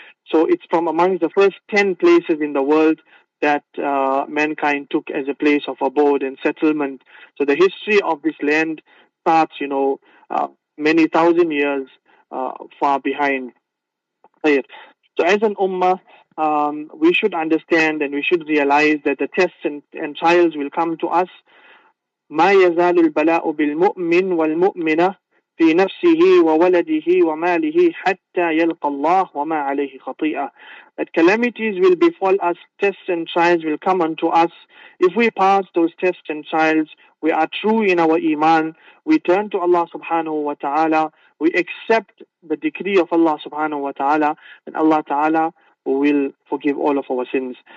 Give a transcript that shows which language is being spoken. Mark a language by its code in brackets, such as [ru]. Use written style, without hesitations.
[en] So it's from amongst the first 10 places in the world that mankind took as a place of abode and settlement. So the history of this land starts, you know, many thousand years far behind. So as an ummah, we should understand and we should realize that the tests and trials will come to us. [ar] ما يزال البلاء بالمؤمن والمؤمنة في نفسه وولده وماله حتى يلقى الله وما عليه خطيئة. [en] That calamities will befall us, tests and trials will come unto us. If we pass those tests and trials, we are true in our iman, we turn to Allah subhanahu wa ta'ala, we accept the decree of Allah subhanahu wa ta'ala, and Allah ta'ala will forgive all of our sins.